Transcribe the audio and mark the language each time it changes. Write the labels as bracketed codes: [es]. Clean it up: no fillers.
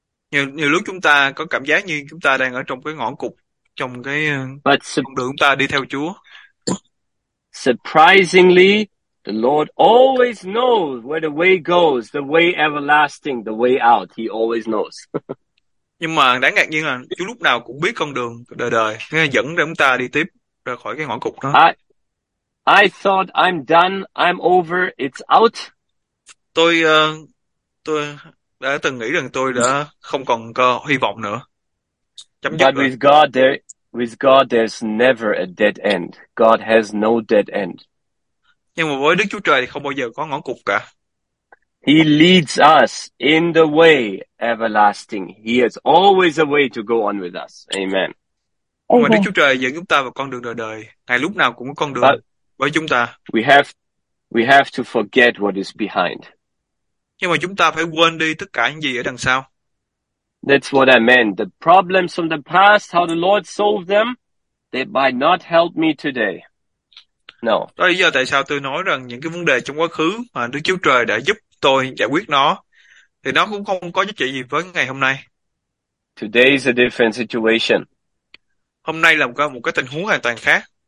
[vi] Nhiều lúc chúng ta có cảm giác như chúng ta đang ở trong cái ngõ cụt, trong cái con đường ta đi theo Chúa. [en] Surprisingly, the Lord always knows where the way goes, the way everlasting, the way out. He always knows. [vi] Nhưng mà đáng ngạc nhiên là Chúa lúc nào cũng biết con đường đời đời, nghe dẫn để chúng ta đi tiếp ra khỏi cái ngõ cụt đó. [en] I thought I'm done, I'm over, it's out. [vi] Tôi đã từng nghĩ rằng tôi đã không còn có hy vọng nữa. Chấm dứt. [en] But with God, there's never a dead end. God has no dead end. [vi] Nhưng mà với Đức Chúa Trời thì không bao giờ có ngõ cụt cả. [en] He leads us in the way everlasting. He has always a way to go on with us. Amen. [vi] Nhưng mà Đức Chúa Trời dẫn chúng ta vào con đường đời đời. Ngài lúc nào cũng có con đường [en] But [vi] với chúng ta. [en] We have to forget what is behind. [vi] Nhưng mà chúng ta phải quên đi tất cả những gì ở đằng sau. [en] That's what I meant. The problems from the past, how the Lord solved them, they might not help me today. No. [vi] Đó là lý do tại sao tôi nói rằng những cái vấn đề trong quá khứ mà Đức Chúa Trời đã giúp tôi giải quyết nó, thì nó cũng không có giá trị gì với ngày hôm nay. [en] Today is a different situation. [vi] Hôm nay là một cái tình huống hoàn toàn khác.